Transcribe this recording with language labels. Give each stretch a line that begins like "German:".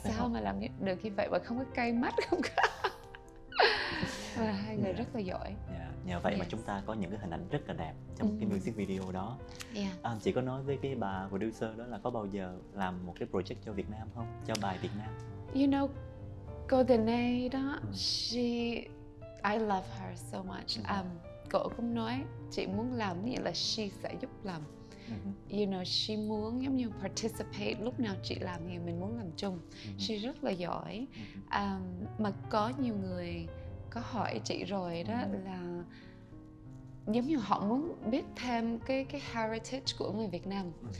Vietnamese: làm sao mà làm được như vậy mà không có cay mắt không có. Và hai người rất là giỏi. Nhờ vậy mà chúng ta có những cái hình ảnh rất là đẹp trong cái music video đó. Chị có nói với cái bà producer đó là có bao giờ làm một cái project cho Việt Nam không, cho bài Việt Nam?
English: You know, Golden A đó, she, I love her so much.
Vietnamese: Cô cũng nói chị muốn làm như là she sẽ giúp làm.
English: You know,
Vietnamese: she muốn giống như participate lúc nào chị làm thì mình muốn làm chung. She rất là giỏi. Mà có nhiều người có hỏi chị rồi đó là giống như họ muốn biết thêm cái heritage của người Việt Nam.